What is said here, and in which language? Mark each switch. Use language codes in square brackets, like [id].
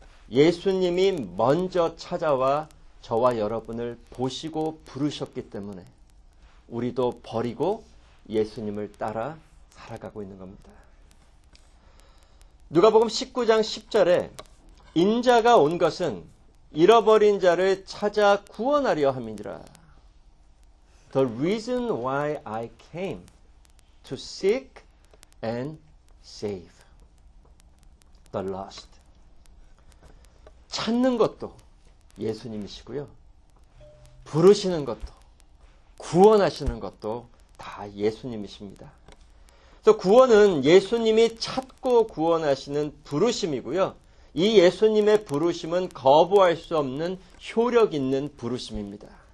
[ko] 예수님이 먼저 찾아와 저와 여러분을 보시고 부르셨기 때문에 우리도 버리고 예수님을 따라 살아가고 있는 겁니다. 누가복음 19장 10절에 인자가 온 것은 잃어버린 자를 찾아 구원하려 함이니라. [en] The reason why I came to seek and save the lost. [ko] 찾는 것도 예수님이시고요. 부르시는 것도 구원하시는 것도 다 예수님이십니다. 그래서 구원은 예수님이 찾고 구원하시는 부르심이고요. 이 예수님의 부르심은 거부할 수 없는 효력 있는 부르심입니다.